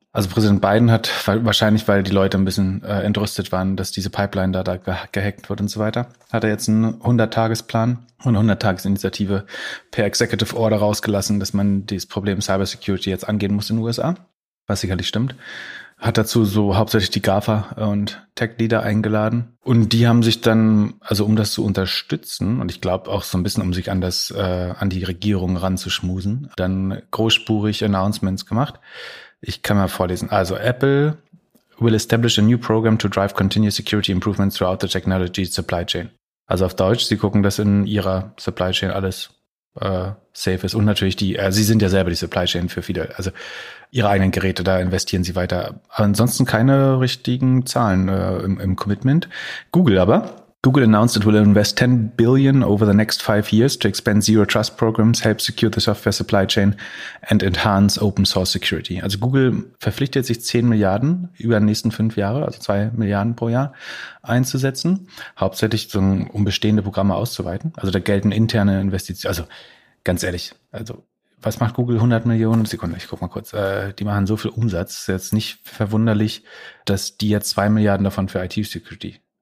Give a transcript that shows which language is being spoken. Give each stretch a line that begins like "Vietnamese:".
German: Also Präsident Biden hat wahrscheinlich, weil die Leute ein bisschen entrüstet waren, dass diese Pipeline da gehackt wird und so weiter, hat er jetzt einen 100-Tages-Plan und 100-Tages-Initiative per Executive Order rausgelassen, dass man dieses Problem Cybersecurity jetzt angehen muss in den USA, was sicherlich stimmt. Hat dazu so hauptsächlich die GAFA und Tech-Leader eingeladen. Und die haben sich dann, also um das zu unterstützen, und ich glaube auch so ein bisschen, um sich an das an die Regierung ranzuschmusen, dann großspurig Announcements gemacht. Ich kann mal vorlesen.
English: Also Apple will establish a new program to drive continuous security improvements throughout the technology supply chain.
German: Also auf Deutsch, sie gucken, dass in ihrer Supply Chain alles safe ist. Und natürlich sie sind ja selber die Supply Chain für viele, also ihre eigenen Geräte, da investieren sie weiter. Ansonsten keine richtigen Zahlen im Commitment.
English: Google announced it will invest $10 billion over the next 5 years to expand Zero Trust Programs, help secure the software supply chain and enhance open source security.
German: Also Google verpflichtet sich 10 Milliarden über die nächsten 5 Jahre, also 2 Milliarden pro Jahr einzusetzen, hauptsächlich um bestehende Programme auszuweiten. Also da gelten interne Investitionen, also ganz ehrlich, also was macht Google 100 Millionen? Sekunde, ich guck mal kurz. Die machen so viel Umsatz, ist jetzt nicht verwunderlich, dass die jetzt 2 Milliarden davon für IT-Security